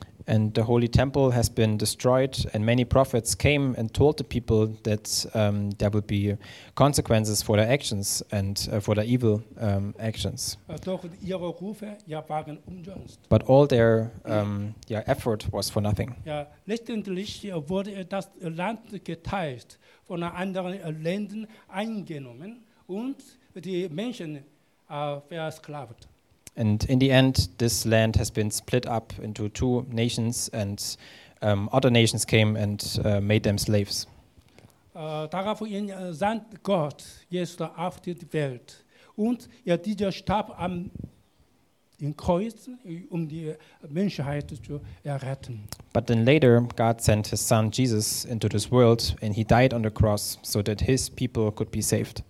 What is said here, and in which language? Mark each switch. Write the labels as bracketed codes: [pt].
[en] And the holy temple has been destroyed, and many prophets came and told the people that there will be consequences for their actions and for their evil actions. [de] Doch ihre Rufe, waren umsonst. [en] But all their effort was for nothing. [de] Ja, letztendlich wurde das Land geteilt, von anderen Ländern eingenommen und die Menschen versklavt. [en] And in the end, this land has been split up into two nations, and other nations came and made them slaves. [de] Daraufhin sandte Gott Jesus auf die Welt, und dieser starb am Kreuz, die Menschheit zu erretten. [en] But then later, God sent his son Jesus into this world, and he died on the cross, so that his people could be saved.